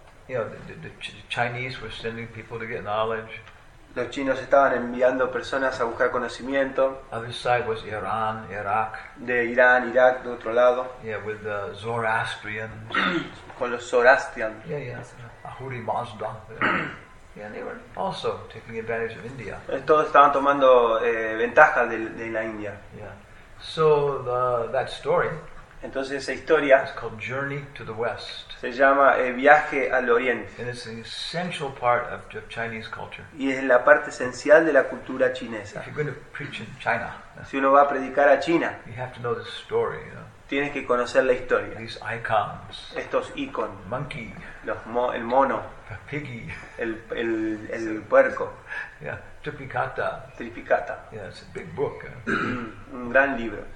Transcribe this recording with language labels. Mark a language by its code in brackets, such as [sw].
[en] The Chinese were sending people to get knowledge. [es] Los chinos estaban enviando personas a buscar conocimiento. [en] Other side was Iran, Iraq. [es] De Irán, Irak, de otro lado. [en] Yeah, with the Zoroastrians. [es] Con los Zoroastrians. [en] Yeah. Ahuri Mazda. Yeah, they were also taking advantage of India. [es] Todos estaban tomando ventaja de la India. [en] Yeah. So that story. [es] Entonces esa historia [en] is called Journey to the West. [es] Se llama El viaje al oriente. [en] And it's an essential part of Chinese culture. [es] Y es la parte esencial de la cultura chinesa. [en] If you're going to preach in China, [es] si uno va a predicar a China, [en] you have to know the story, you know? [es] Tienes que conocer la historia. [en] These icons, [es] estos iconos, [en] monkey, [es] el mono, [en] the piggy, [es] el puerco. [en] Yeah, Tripitaka. [es] Tripitaka. [en] Yeah, it's a big book. [es] Un gran libro.